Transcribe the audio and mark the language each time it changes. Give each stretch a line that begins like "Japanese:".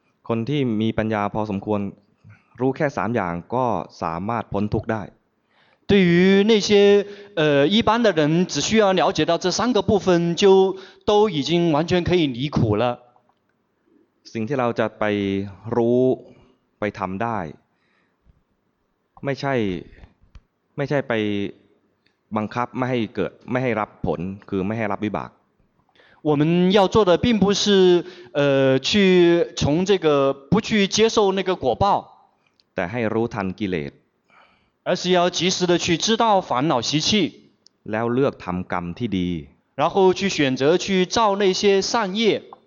Thai: คนที่มีปัญญาพอสมควรรู้แค่3อย่างก็สามารถพ้นทุกข์ได้
Chinese: 对于那些一般的人只需要了解到这三个部分就都已经完全可以离苦了
Thai: สิ่งที่เราจะไปรู้ไปทำได้ไม่ใช่ไปบังคับไม่ให้เกิดไม่ให้รับผลคือไม่ให้รับวิบาก
Chinese: 我们要做的并不是去从这个不去接受那个果报
Thai: แต่ให้รู้ทันกิเลส
Chinese: 而是要及时的去知道烦恼习气
Thai: แล้วเลือกทำกรรมที่ดี
Chinese: 然后去选择去造那些善业